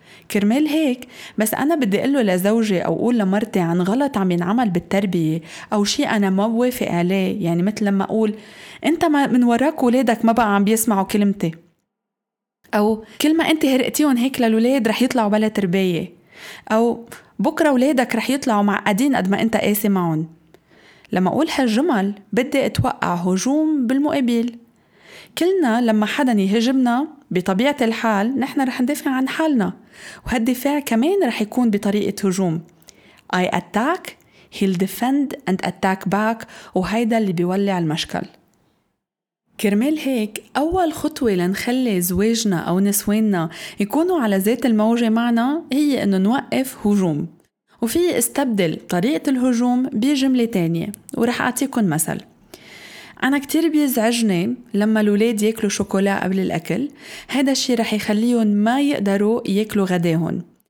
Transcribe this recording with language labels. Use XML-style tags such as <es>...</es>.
<ar>كرمال هيك بس أنا بدي أقوله لزوجي أو أقول لمرتي عن غلط عم ينعمل بالتربية أو شيء أنا ما بوافق عليه، يعني مثل لما أقول أنت من وراك ولادك ما بقى عم بيسمعوا كلمتي، أو كل ما أنت هرقتيهم هيك للولاد رح يطلعوا بلا تربية، أو بكرة ولادك رح يطلعوا معقدين قد ما أنت قاسي معهم. لما أقول هالجمل بدي أتوقع هجوم بالمقابل. كلنا لما حدا يهجمنا بطبيعة الحال نحن رح ندافع عن حالنا، وهالدفاع كمان رح يكون بطريقة هجوم.</ar> <en>I attack, he'll defend and attack back،</en> <ar>وهيدا اللي بيولع المشكل. كرمال هيك أول خطوة لنخلي زواجنا أو نسويننا يكونوا على ذات الموجة معنا هي أنه نوقف هجوم، وفي استبدل طريقة الهجوم بجملة تانية ورح أعطيكم مثل. أنا كتير بيزعجني لما الولاد يأكلوا شوكولا قبل الأكل، هذا الشي رح يخليهم ما يقدروا يأكلوا غداهن.</ar>